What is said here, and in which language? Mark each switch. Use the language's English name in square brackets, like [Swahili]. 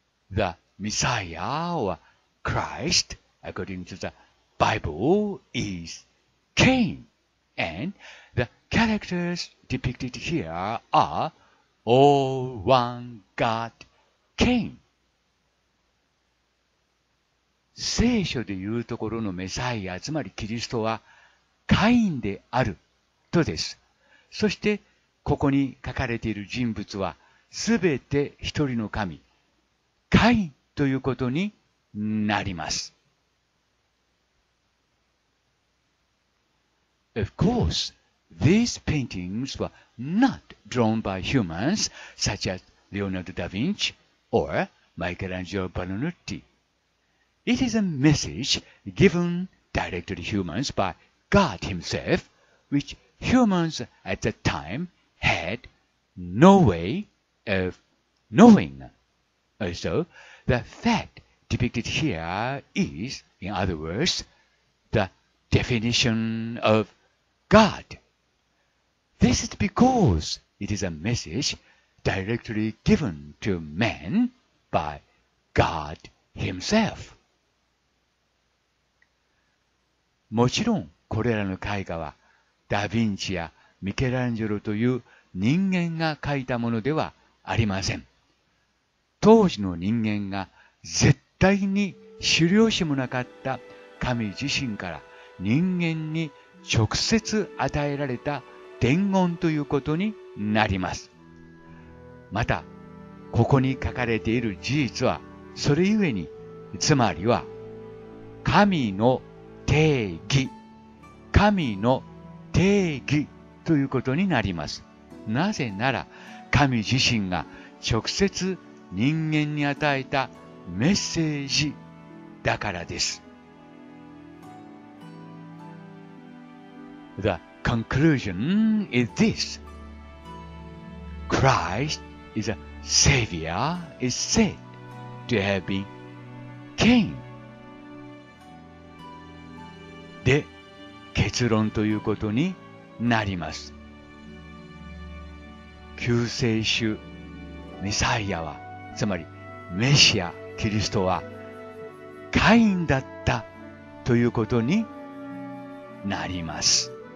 [English] The Messiah or Christ, according to the Bible, is King, and the characters depicted here areAll one God King. [Japanese] 聖書でいうところのメサイア、つまりキリストはカインであるとです。そしてここに書かれている人物はすべて一人の神、カインということになります。 [English] Of course. These paintings were not drawn by humans such as Leonardo da Vinci or Michelangelo Buonarroti. It is a message given directly to humans by God himself, which humans at that time had no way of knowing. Also, the fact depicted here is, in other words, the definition of God. This is because it is a message directly given to men by God himself. [Japanese] もちろんこれらの絵画はダ・ヴィンチやミケランジェロという人間が描いたものではありません。当時の人間が絶対に知る由もなかった神自身から人間に直接与えられた伝言ということになります。また、ここに書かれている事実は、それゆえに、つまりは、神の定義、神の定義ということになります。なぜなら、神自身が直接人間に与えたメッセージだからです。 [English] The conclusion is this. Christ is a savior is said to have been king. [Japanese] で、結論ということになります。救世主、メサイアは、つまりメシア、キリストは、カインだったということになります。